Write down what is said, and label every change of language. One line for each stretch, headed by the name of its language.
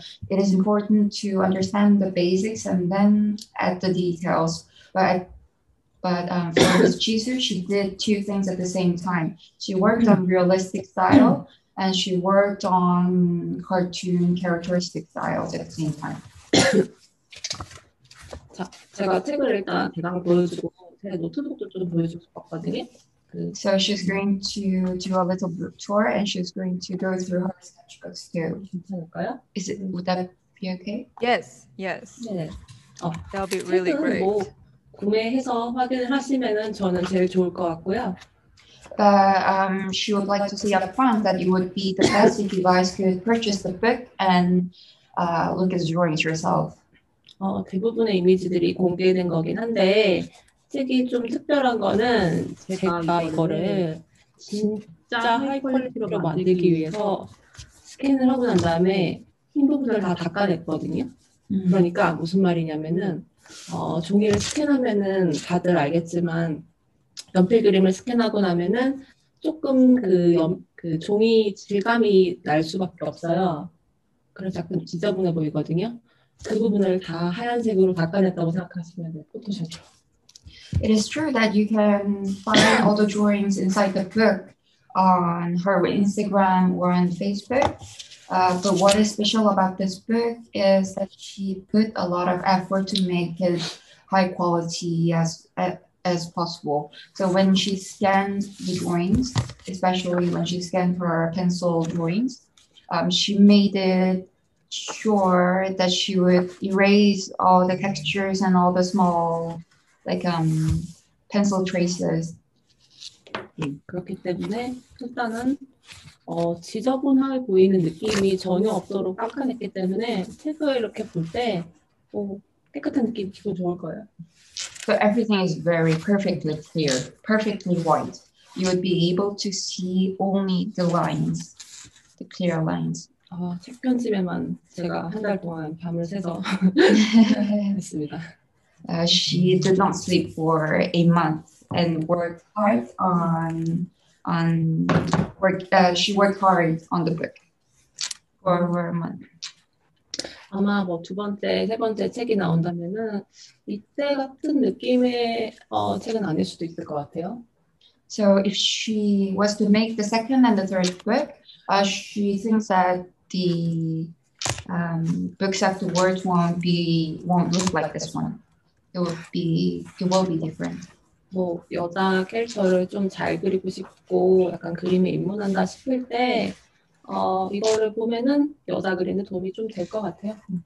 English: It is important to understand the basics and then add the details. But for Ms. Jisu, she did two things at the same time. She worked on realistic style and she worked on cartoon characteristic styles at the same time.
Korean: 자, 제가 책을 일단 대강 보여주고 제 노트북도 좀 보여주고 싶었거든요.
English: So she's going to do a little book tour and she's going to go through her sketchbooks too.
Korean: 괜찮을까요?
English: Is it, would that be okay? Yes, yes.
Korean: 네.
English: That'll be really great.
Korean: 뭐 구매해서 확인을 하시면은 저는 제일 좋을 것 같고요.
English: But she would like to see upfront that it would be the best if you guys could purchase the book and look at the drawings yourself.
Korean: 대부분의 이미지들이 공개된 거긴 한데 책이 좀 특별한 거는 제가 이거를 진짜 하이퀄리티로 만들기 위해서 스캔을 하고 난 다음에 흰 부분을 다 닦아냈거든요. 그러니까 무슨 말이냐면은 종이를 스캔하면은 다들 알겠지만 연필 그림을 스캔하고 나면은 조금 그 종이 질감이 날 수밖에 없어요. 그래서 약간 지저분해 보이거든요. 그 부분을 다 하얀색으로 닦아냈다고 생각하시면 돼요. 포토샵으로.
English: It is true that you can find all the drawings inside the book on her Instagram or on Facebook. But what is special about this book is that she put a lot of effort to make it high quality as possible. So when she scanned the drawings, especially when she scanned her pencil drawings, she made it sure that she would erase all the textures and all the small like pencil traces.
Korean: 그렇기 때문에 일단은 지저분하게 보이는 느낌이 전혀 없도록 깎아냈기 때문에 책을 이렇게 볼 때 깨끗한 느낌이 기분 좋을 거예요.
English: So everything is very perfectly clear, perfectly white. You would be able to see only the lines, the clear lines.
Korean: 책 편집에만 제가 한 달 동안 밤을 새서 했습니다.
English: She did not sleep for a month and worked hard on work. She worked hard on the book for over a month.
Korean: 아마 뭐 두 번째, 세 번째 책이 나온다면은 이때 같은 느낌의 책은 아닐 수도 있을 것 같아요.
English: So if she was to make the second and the third book, she thinks that the books afterwards won't look like this one. It will be different.
Korean: 뭐 여자 캐릭터를 좀 잘 그리고 싶고 약간 그림에 입문한다 싶을 때 이거를 보면은 여자 그림에 도움이 좀 될 것 같아요.